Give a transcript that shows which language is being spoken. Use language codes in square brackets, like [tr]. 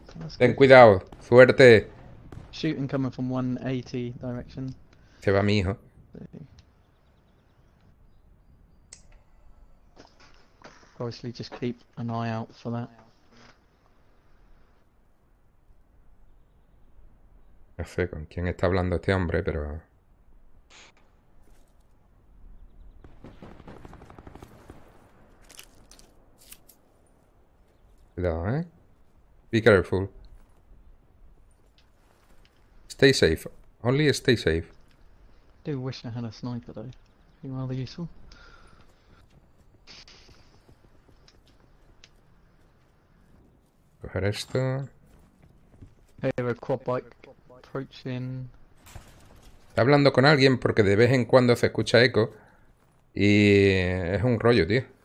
[en] That's [es] Ten cuidado, suerte. [en] Shooting coming from 180 direction. [es] Se va mi hijo. [en] Obviously, just keep an eye out for that. [es] No sé con quién está hablando este hombre, pero... Cuidado, ¿eh? [en] Be careful. Stay safe. Only stay safe. I do wish I had a sniper, though. It'd be rather useful. [es] Coger esto. [en] Hey, a quad bike approaching. [es] Está hablando con alguien porque de vez en cuando se escucha eco. Y es un rollo, tío.